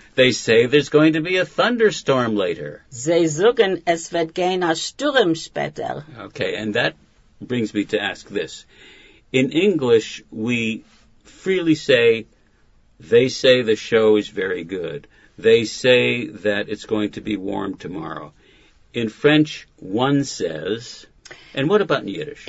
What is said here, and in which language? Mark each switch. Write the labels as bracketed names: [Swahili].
[English] They say there's going to be a thunderstorm later. [German] Sie sagen, es wird gehen ein Sturm später. [English] Okay, and that brings me to ask this. In English, we freely say, They say the show is very good. They say that it's going to be warm tomorrow. In French, one says, and what about in Yiddish?